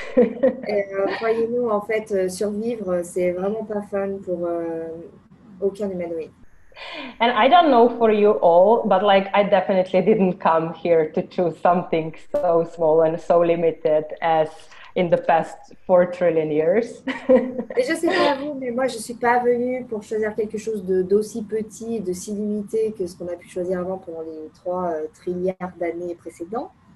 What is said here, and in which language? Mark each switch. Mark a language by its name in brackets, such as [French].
[French] Croyez-nous, en fait, survivre, c'est vraiment pas fun pour aucun humanoïde. [English] And I don't know for you all, but like I definitely didn't come here to choose something so small and so limited as in the past 4 trillion years. [French] Et je sais pas à vous, mais moi je suis pas venue pour choisir quelque chose d'aussi petit, de si limité que ce qu'on a pu choisir avant pendant les 3 trilliards d'années précédentes.